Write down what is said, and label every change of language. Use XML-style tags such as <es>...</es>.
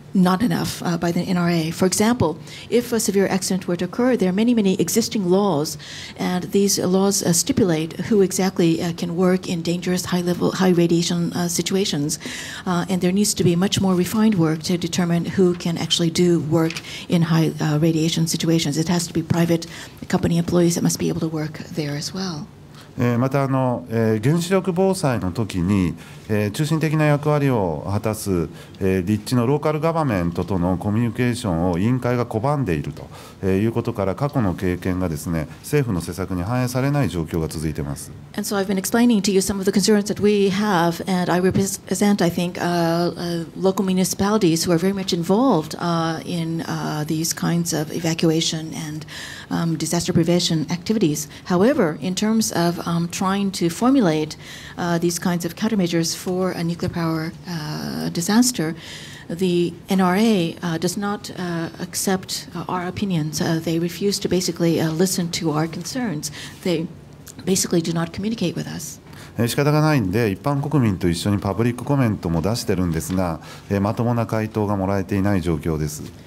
<en>not enough by the NRA. For example, if a severe accident were to occur, there are many, many existing laws, and these laws stipulate who exactly can work in dangerous, high-level, high-radiation situations, and there needs to be much more refined work to determine who can actually do work in high-radiation situations. It has to be private company employees that must be able to work there as well.</en> <ja>また原子力防災の時に中心的な役割を果たす立地のローカルガバメントとのコミュニケーションを委員会が拒んでいるということから、過去の経験がですね、政府の施策に反映されない状況が続いています。</ja> <en>And so I've been explaining to you some of the concerns that we have, and I represent, I think, local municipalities who are very much involved in these kinds of evacuation and disaster prevention activities. However, in terms ofTrying to formulate these kinds of countermeasures for a nuclear power disaster, the NRA does not accept our opinions. They refuse to basically listen to our concerns. They basically do not communicate with us.</en> <ja>仕方がないんで、一般国民と一緒にパブリックコメントも出してるんですが、まともな回答がもらえていない状況です。</ja>